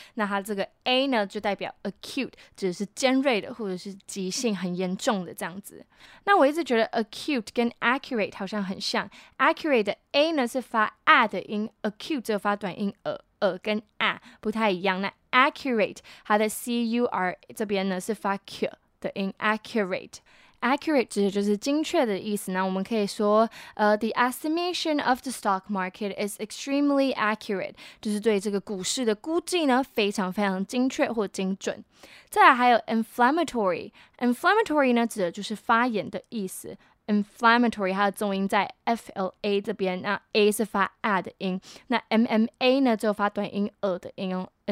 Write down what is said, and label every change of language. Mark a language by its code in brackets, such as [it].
[zh] 那它这个 A 呢就代表 Acute， 指的是尖锐的或者是急性很严重的这样子。那我一直觉得 Acute 跟 Accurate 好像很像， Accurate 的 A 呢是发 A 的音， Acute 只有发短音 A 跟 A 不太一样。那 Accurate 它的 C-U-R 这边呢是发 Q The inaccurate. Accurate 指的就是精确的意思。那我们可以说 [en] The estimation of the stock market is extremely accurate. [zh] 就是对这个股市的估计呢非常非常精确或精准。再来还有 inflammatory. Inflammatory 呢指的就是发炎的意思。 Inflammatory 它的重音在 FLA 这边，那 A 是发 A 的音，那 MMA 呢就发短音 E 的音哦。